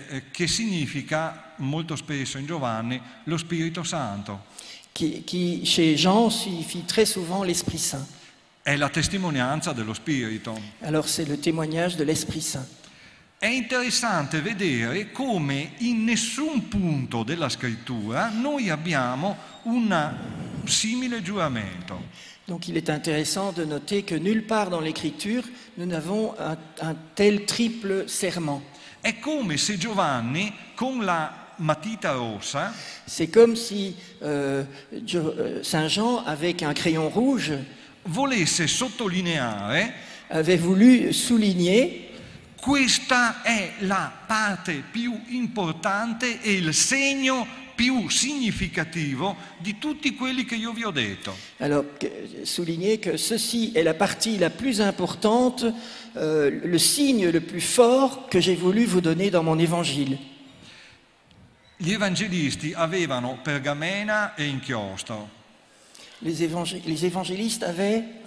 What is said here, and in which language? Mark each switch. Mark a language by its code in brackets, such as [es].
[it] Che significa molto spesso in Giovanni lo Spirito Santo. [fr] Qui chez Jean signifie très souvent l'Esprit Saint. [it] È la testimonianza dello Spirito. [fr] Alors c'est le témoignage de l'Esprit Saint. [it] È interessante vedere come in nessun punto della scrittura noi abbiamo un simile giuramento. [fr] Donc il est intéressant de noter que nulle part dans l'écriture nous n'avons un tel triple serment. [it] È come se Giovanni con la matita rossa. [fr] C'est comme si Saint Jean avec un crayon rouge [it] volesse sottolineare, [fr] avait voulu souligner, [it] questa è la parte più importante e il segno più significativo di tutti quelli che io vi ho detto. [fr] Alors, souligner que ceci est la partie la plus importante, le signe le plus fort que j'ai voulu vous donner dans mon évangile. [it] Gli evangelisti avevano pergamena e inchiostro. [fr] Les évangélistes avaient